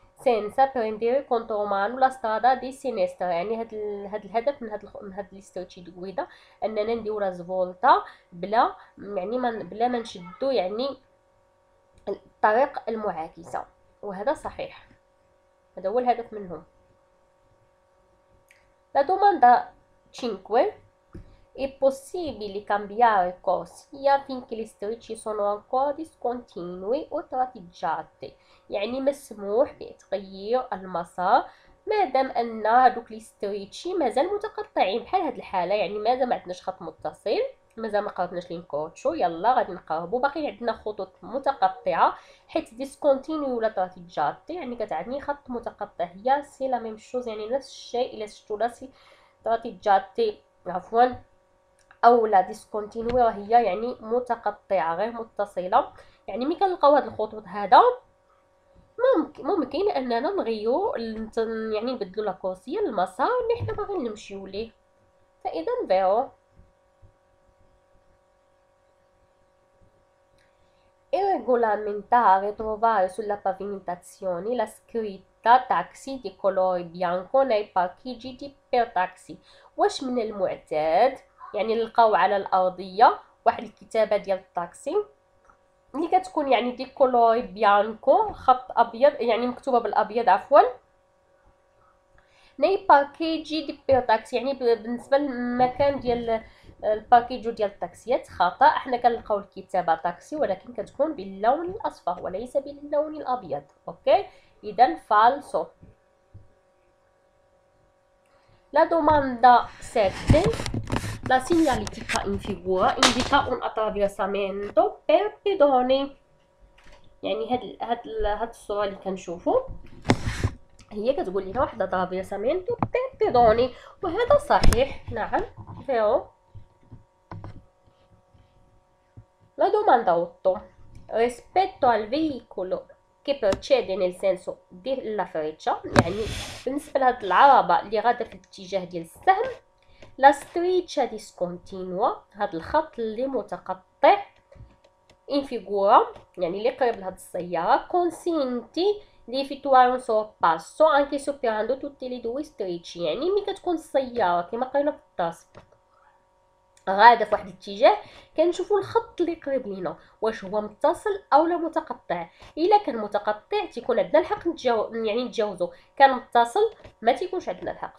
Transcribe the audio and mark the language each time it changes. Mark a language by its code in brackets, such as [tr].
[it] سينسا بريندير كونتو مانو لا سترادا دي سينيستر، [ar] يعني هاد الهدف من هاد لي ستريتشي دو غويدا اننا نديو لا زفولتا بلا يعني بلا ما نشدو يعني الطريق المعاكسه، وهذا صحيح، هذا هو الهدف منهم. [it] La domanda 5. È possibile cambiare corsia finché le strisce sono ancora discontinue o tratteggiate? [ar] يعني مسموح بتغيير المسار مادام ان هذوك لي ستريتشي مازال متقطعين، بحال هاد الحاله يعني مازال ما عندناش خط متصل، مازال ما قربناش لينكوتشو، يلا غادي نقربو، باقي عندنا خطوط متقطعه. حيت ديسكونتينيو ولا تراتيجاتي يعني كتعني خط متقطع، [fr] هي سي لا ميم شوز، [ar] يعني نفس الشيء. الا شتو لا سي تراتيجاتي عفوا او لا ديسكونتينيو هي يعني متقطعه غير متصله، يعني ملي كنلقاو هاد الخطوط هذا ممكن اننا نغيو يعني نبدلو لا كورسيا المسار اللي حنا باغيين نمشيو ليه، فاذا فيرو. [it] È regolamentare trovare sulla pavimentazione la scritta taxi di colore bianco nei parcheggi di per taxi. [ar] واش من المعتاد يعني نلقاو على الارضيه واحد الكتابه ديال الطاكسي اللي كتكون يعني [it] دي كولور بيانكو، [ar] خط ابيض يعني مكتوبه بالابيض عفوا، نيباركيجي دي بير تاكسي، يعني بالنسبه للمكان ديال الباكيجو ديال الطاكسيات خطأ، حنا كنلقاو الكتابة طاكسي ولكن كتكون باللون الأصفر وليس باللون الأبيض. أوكي، إذا فالسو. [it] La domanda 7. La segnaletica in figura indica un attraversamento per pedoni. [ar] يعني هاد الصورة اللي كنشوفو هي كتقول لنا واحد اترافيرسامينتو بير بيدوني، وهذا صحيح. نعم فيرو. [it] La domanda 8. Rispetto al veicolo che procede nel senso della freccia, [ar] يعني بالنسبة لهاد العربة اللي غادا في الاتجاه ديال السهم، [it] la striscia discontinua، [ar] هاد الخط اللي متقطع، [it] in figura، [ar] يعني اللي قريب لهاد السيارة، [it] consenti di effettuare un sorpasso anche superando tutte le due strisce. [ar] يعني ملي كتكون السيارة كيما قريبة في الطاسك غادا في واحد الاتجاه، كنشوفو الخط اللي قريب لينا واش هو متصل أو لا متقطع. إلا كان متقطع تيكون عندنا الحق يعني نتجاوزو، كان متصل ما تيكونش عندنا الحق.